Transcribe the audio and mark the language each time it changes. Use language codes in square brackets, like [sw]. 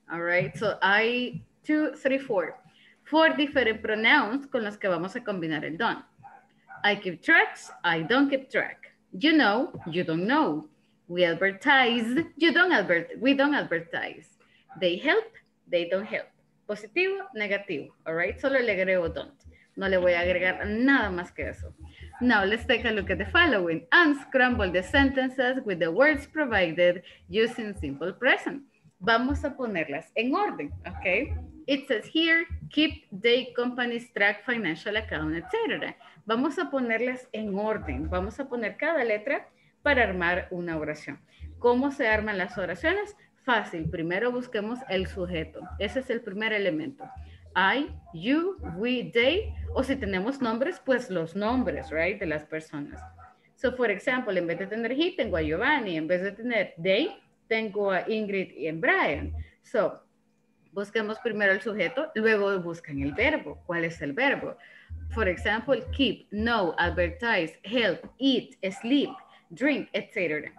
[en] All right, so I, two, three, four. Four different pronouns [es] con los que vamos a combinar el don't. [en] I keep tracks, I don't keep track. You know, you don't know. We advertise, you don't advert, we don't advertise. They help, they don't help. [es] Positivo, negativo, [en] all right? [es] Solo le agrego don't. No le voy a agregar nada más que eso. [en] Now let's take a look at the following. Unscramble the sentences with the words provided using simple present. [es] Vamos a ponerlas en orden, [en] okay? It says here, keep the company's track financial account, etc. [es] Vamos a ponerlas en orden. Vamos a poner cada letra para armar una oración. ¿Cómo se arman las oraciones? Fácil. Primero busquemos el sujeto. Ese es el primer elemento. I, you, we, they. O si tenemos nombres, pues los nombres, right, de las personas. So, [en] for example, [es] en vez de tener he, tengo a Giovanni. En vez de tener they, tengo a Ingrid y a Brian. So, busquemos primero el sujeto, luego buscan el verbo. ¿Cuál es el verbo? [en] For example, keep, know, advertise, help, eat, sleep, drink, etc.